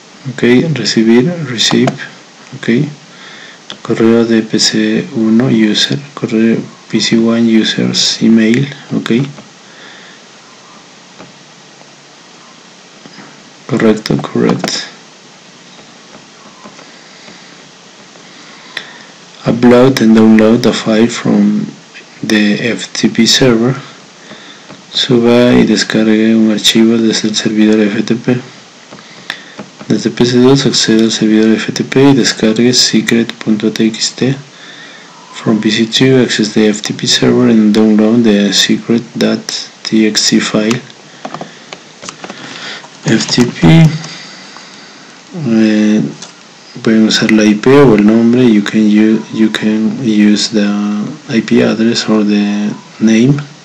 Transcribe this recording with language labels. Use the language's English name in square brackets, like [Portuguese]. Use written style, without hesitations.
[Spanish] Ok, recibir, [English] receive, [Spanish] ok, correo de PC1 user, correo PC1 users email, ok. Correcto, [English] correct. Upload and download the file from the FTP server. [Spanish] Suba y descargue un archivo desde el servidor FTP. Desde PC2 accede al servidor FTP y descargue secret.txt. [English] From PC2 access the FTP server and download the secret.txt file. [Spanish] FTP, pueden usar la IP o el nombre. [English] You can use the IP address or the name.